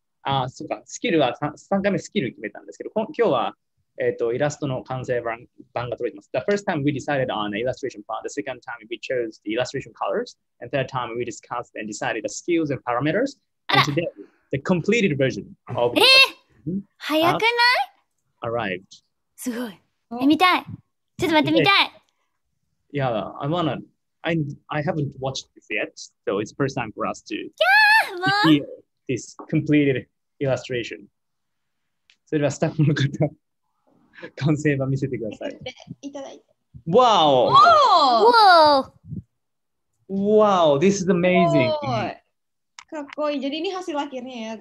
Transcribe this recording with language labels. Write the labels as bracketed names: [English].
[Japanese] ああ、そうか。スキルは 3回目スキル決めたんですけど、今日はイラストの完成版が取れてます。 [English] The first time we decided on an illustration part, the second time we chose the illustration colors, and third time we discussed and decided the skills and parameters, and today, the completed version of the illustration [Japanese] 早くない? [English] arrived. [Japanese] すごい。え、見たい。ちょっと待って、見たい。 [English] Yeah, I haven't watched this yet, so it's the first time for us to see this completed illustration. [Japanese] それではスタッフの方。完成版見せてください。いただいて。わお。わお。 [English] わお。This is amazing. [Japanese] かっこいい。ジェリーに走るわけね。